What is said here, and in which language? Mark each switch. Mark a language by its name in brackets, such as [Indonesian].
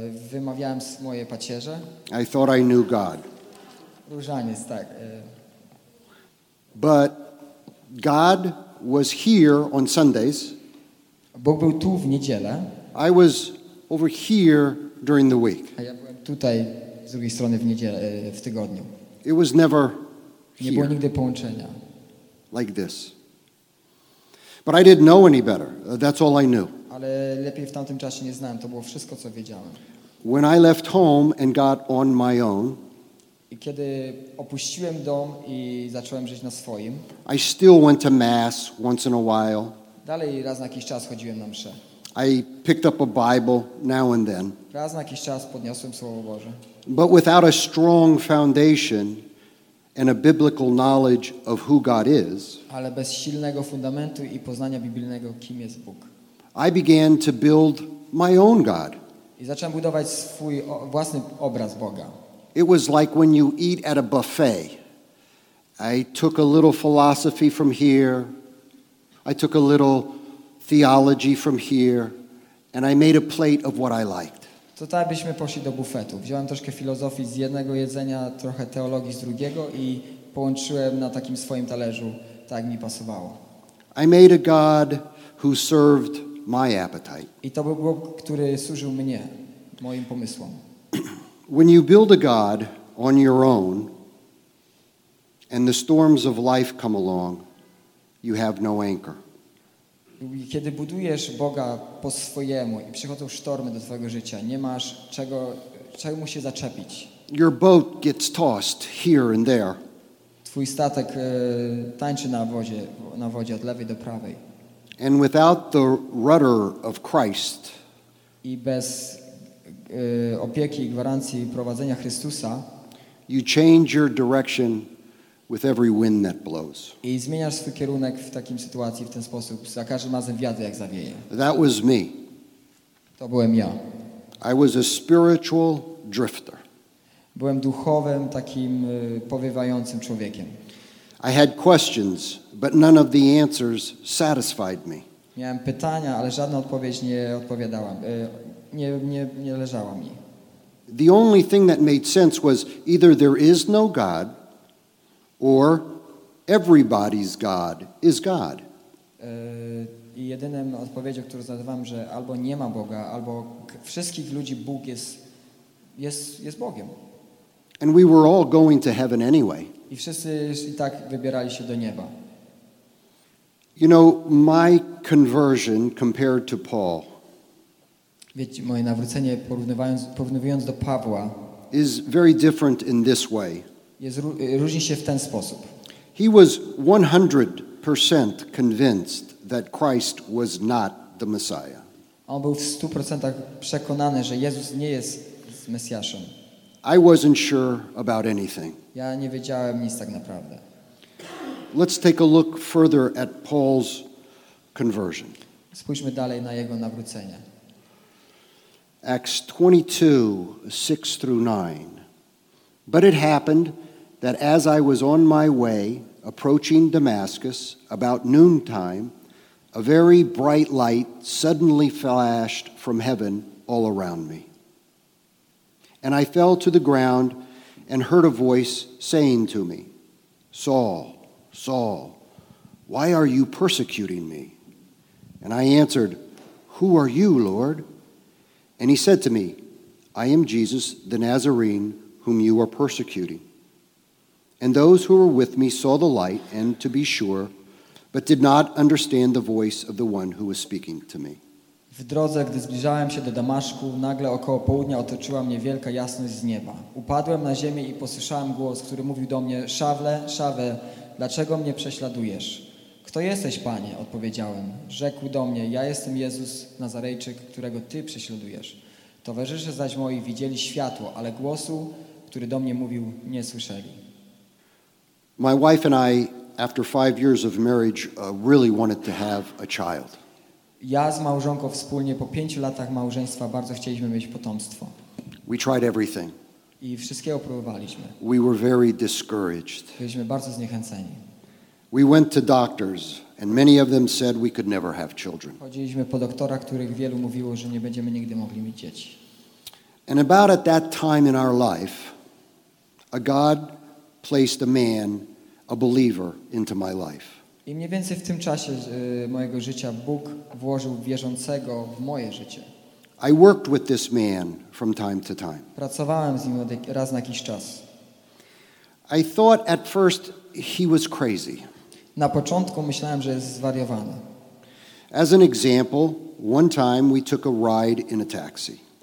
[Polish] Wymawiałem moje pacierze. [English] I thought I knew God. [Polish] Różaniec, tak. [English] But God was here on Sundays. [Polish] Bóg był tu w niedzielę. [English] I was over here during the week. [Polish] A ja byłem tutaj z drugiej strony w niedzielę, w tygodniu. [English] It was never here. [Polish] Nie było nigdy połączenia. [English] Like this. But I didn't know any better. That's all I knew. [Polish] Ale lepiej w tamtym czasie nie znałem. To było wszystko, co wiedziałem. [English] When I left home and got on my own, [Polish] i kiedy opuściłem dom i zacząłem żyć na swoim, [English] I still went to mass once in a while. [Polish] Dalej raz na jakiś czas chodziłem na mszę. [English] I picked up a Bible now and then. [Polish] Raz na jakiś czas podniosłem Słowo Boże. [English] But without a strong foundation and a biblical knowledge of who God is, [Polish] ale bez silnego fundamentu i poznania biblijnego, kim jest Bóg, [English] I began to build my own God. [Polish] I zacząłem budować swój własny obraz Boga. [English] It was like when you eat at a buffet. I took a little philosophy from here. I took a little theology from here. And I made a plate of what I liked. [Polish] To tak, byśmy poszli do bufetu. Wziąłem troszkę filozofii z jednego jedzenia, trochę teologii z drugiego i połączyłem na takim swoim talerzu, tak mi pasowało. [English] I made a God who served my appetite. [Polish] I to był Bóg, który służył mnie, moim pomysłom. [English] When you build a God on your own and the storms of life come along, you have no anchor. [Polish] Kiedy budujesz Boga po swojemu i przychodzą sztormy do twojego życia, nie masz czemu się zaczepić. [English] Your boat gets tossed here and there. [Polish] Twój statek tańczy na wodzie od lewej do prawej. [English] And without the rudder of Christ, [Polish] i bez opieki i gwarancji prowadzenia Chrystusa, [English] you change your direction with every wind that blows. [Polish] I zmieniasz swój kierunek w takim sytuacji, w ten sposób, za każdym razem wiatr jak zawieje. [English] That was me. [Polish] To byłem ja. [English] I was a spiritual drifter. [Polish] Byłem duchowym, takim powiewającym człowiekiem. [English] I had questions, but none of the answers satisfied me. [Polish] Miałem pytania, ale żadna odpowiedź nie odpowiadała. Nie leżała mi. [English] The only thing that made sense was either there is no God, or everybody's God is God. [Polish] I jedynym odpowiedzią, którą znalazłem, że albo nie ma Boga, albo wszystkich ludzi Bóg jest Bogiem. [English] And we were all going to heaven anyway. [Polish] I wszyscy i tak wybierali się do nieba. [English] You know, my conversion compared to Paul, [Polish] wiecie, moje nawrócenie porównując do Pawła, [English] is very different in this way. [Polish] Różni się w ten sposób. [English] He was 100% convinced that Christ was not the Messiah. [Polish] On był w 100% przekonany, że Jezus nie jest Mesjaszem. [English] I wasn't sure about anything. [Polish] Ja nie wiedziałem nic tak naprawdę. [English] Let's take a look further at Paul's conversion. [Polish] Spójrzmy dalej na jego nawrócenie. [English] Acts 22:6-9. But it happened that as I was on my way approaching Damascus about noontime, a very bright light suddenly flashed from heaven all around me. And I fell to the ground and heard a voice saying to me, Saul, Saul, why are you persecuting me? And I answered, Who are you, Lord? And he said to me, I am Jesus the Nazarene, whom you are persecuting. And those who were with me saw the light, and to be sure, but did not understand the voice of the one who was speaking to me. [Polish] W drodze, gdy zbliżałem się do Damaszku, nagle około południa otoczyła mnie wielka jasność z nieba. Upadłem na ziemię i posłyszałem głos, który mówił do mnie, Szawle, Szawle, dlaczego mnie prześladujesz? Kto jesteś, Panie? Odpowiedziałem. Rzekł do mnie, ja jestem Jezus Nazarejczyk, którego Ty prześladujesz. Towarzysze zaś moi widzieli światło, ale głosu, który do mnie mówił, nie słyszeli. [English] My wife and I, after 5 years of marriage, really wanted to have a child. [Polish] Ja z małżonką wspólnie po 5 latach małżeństwa bardzo chcieliśmy mieć potomstwo. [English] We tried everything. [Polish] I wszystkiego próbowaliśmy. [English] We were very discouraged. [Polish] Byliśmy bardzo zniechęceni. [English] We went to doctors, and many of them said we could never have children. [Polish] Chodziliśmy po doktora, których wielu mówiło, że nie będziemy nigdy mogli mieć dzieci. [English] And about at that time in our life, a God placed a man, a believer, into my life. [Polish] I mniej więcej w tym czasie mojego życia Bóg włożył wierzącego w moje życie. [English] I worked with this man from time to time. [Polish] Pracowałem z nim raz na jakiś czas. [English] I thought at first he was crazy. [Polish] Na początku myślałem, że jest zwariowany. [English] As an example, one time we took a ride in a taxi.